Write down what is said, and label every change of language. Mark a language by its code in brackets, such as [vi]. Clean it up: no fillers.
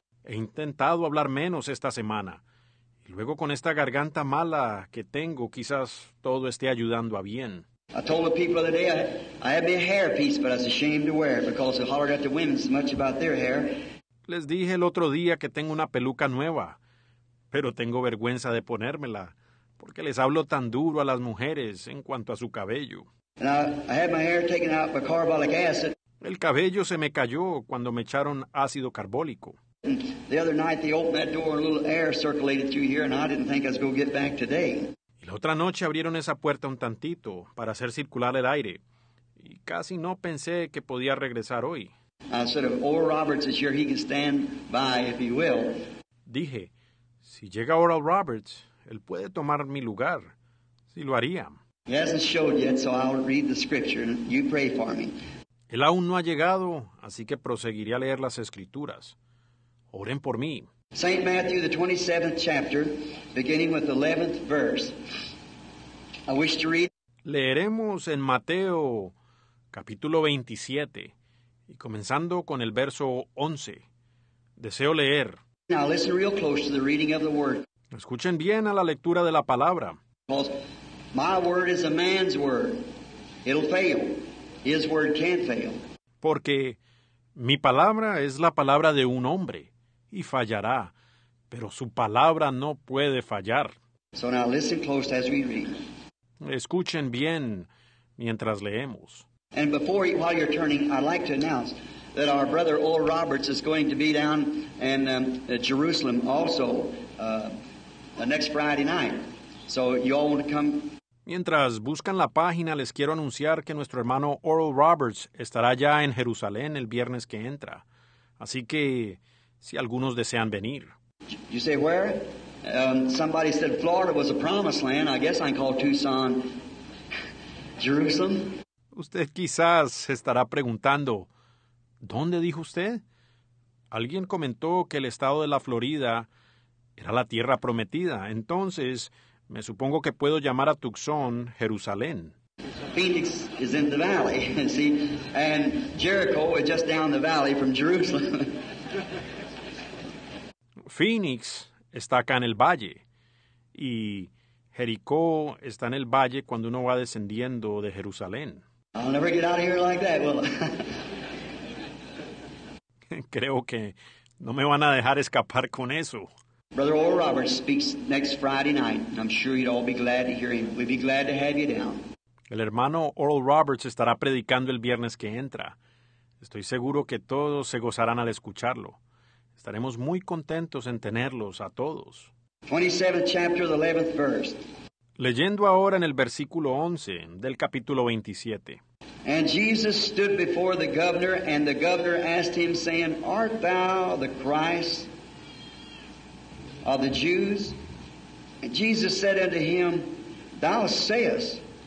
[es] He intentado hablar menos esta semana. Y luego con esta garganta mala que tengo, quizás todo esté ayudando a bien. [en] I told the people the other day, I had me a hair piece, but I was ashamed to wear it because they hollered at the women so much about their hair. [es] Les dije el otro día que tengo una peluca nueva, pero tengo vergüenza de ponérmela, porque les hablo tan duro a las mujeres en cuanto a su cabello. [en] And I had my hair taken out by carbolic acid. [es] El cabello se me cayó cuando me echaron ácido carbólico. [en] And the other night they opened that door and a little air circulated through here, and I didn't think I was going to get back today. [es] Y la otra noche abrieron esa puerta un tantito para hacer circular el aire, y casi no pensé que podía regresar hoy. [en] I said, if Oral Roberts is here, he can stand by if he will. [es] Dije, si llega Oral Roberts, él puede tomar mi lugar, si lo haría. [en] He hasn't showed yet, so I'll read the scripture and you pray for me. [es] Él aún no ha llegado, así que proseguiré a leer las escrituras. Oren por mí. [en] St. Matthew, the 27th chapter, beginning with the 11th verse. I wish to read. [es] Leeremos en Mateo, capítulo 27, y comenzando con el verso 11. Deseo leer. [en] Now listen real close to the reading of the word. [es] Escuchen bien a la lectura de la palabra. [en] Because my word is a man's word. It'll fail. His word can't fail. [es] Porque mi palabra es la palabra de un hombre. Y fallará, pero su palabra no puede fallar. [en] So now listen close as we read. [es] Escuchen bien mientras leemos. [en] And while you're turning, I'd like to announce that our brother Oral Roberts is going to be down in Jerusalem also next Friday night. So you all want to come. [es] Mientras buscan la página, les quiero anunciar que nuestro hermano Oral Roberts estará ya en Jerusalén el viernes que entra. Así que si algunos desean venir. [en] You say, where? Somebody said Florida was a promised land. I guess I can call Tucson Jerusalem. [es] Usted quizás estará preguntando, ¿dónde dijo usted? Alguien comentó que el estado de la Florida era la tierra prometida. Entonces, me supongo que puedo llamar a Tucson Jerusalén. [en] Phoenix is in the valley, see? And Jericho is just down the valley from Jerusalem. [es] Phoenix está acá en el valle, y Jericó está en el valle cuando uno va descendiendo de Jerusalén. [en] I'll never get out of here like that, will I? [es] Creo que no me van a dejar escapar con eso. [en] Brother Oral Roberts speaks next Friday night, and I'm sure you'd all be glad to hear him. We'd be glad to have you down. [es] El hermano Oral Roberts estará predicando el viernes que entra. Estoy seguro que todos se gozarán al escucharlo. Estaremos muy contentos en tenerlos a todos. [en] 27th chapter, the 11th verse. [es] Leyendo ahora en el versículo 11 del capítulo 27. [en] And Jesus stood before the governor, and the governor asked him, saying, art thou the Christ of the Jews? And Jesus said unto him, thou sayest.